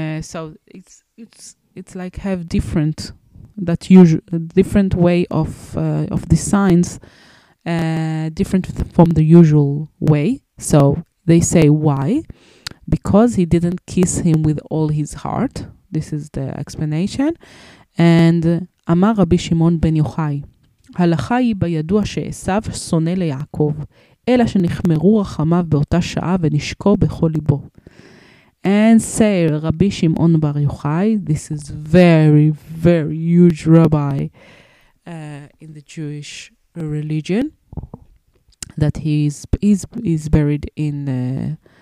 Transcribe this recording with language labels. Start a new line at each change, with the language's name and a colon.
English: So it's like have different, that usual, different way of the signs, different from the usual way. So they say why? Because he didn't kiss him with all his heart. This is the explanation.
Hebrew: And אמר רבי שמעון בן יוחאי, הלכה היא בידוע שעשיו שונא ליעקב, אלא שנחמרו רחמיו באותה שעה ונשקו בכל ליבו.
English: And say רבי שמעון בר יוחאי, this is very, very huge rabbi in the Jewish religion, that he is buried in...